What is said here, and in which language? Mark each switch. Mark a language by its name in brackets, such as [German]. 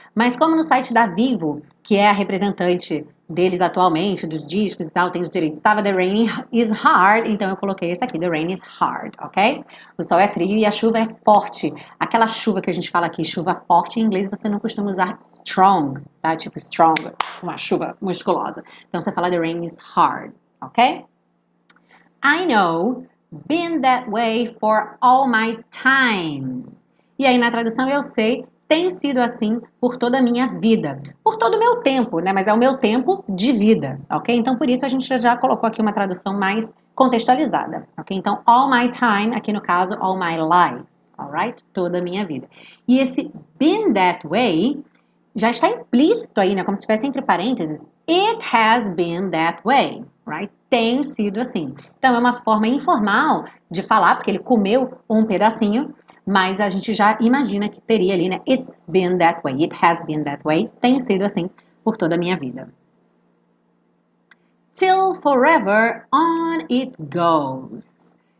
[Portuguese] Mas como no site da Vivo, que é a representante deles atualmente, dos discos e tal, tem os direitos, estava The Rain is Hard, então eu coloquei esse aqui, The Rain is Hard, ok? O sol é frio e a chuva é forte. Aquela chuva que a gente fala aqui, chuva forte, em inglês você não costuma usar strong, tá? Tipo stronger, uma chuva musculosa. Então você fala The Rain is Hard, ok? [English] I know. Been that way for all my time. [Portuguese] E aí, na tradução, eu sei, tem sido assim por toda a minha vida. Por todo o meu tempo, né? Mas é o meu tempo de vida, ok? Então, por isso, a gente já colocou aqui uma tradução mais contextualizada, ok? Então, [English] all my time, [Portuguese] aqui no caso, [English] all my life, alright? [Portuguese] Toda a minha vida. E esse [English] been that way [Portuguese] já está implícito aí, né? Como se tivesse entre parênteses. [English] It has been that way, right? [Portuguese] Tem sido assim. Então, é uma forma informal de falar, porque ele comeu um pedacinho, mas a gente já imagina que teria ali, né? [English] It's been that way. It has been that way. [Portuguese] Tem sido assim por toda a minha vida. [English] Till forever on it goes.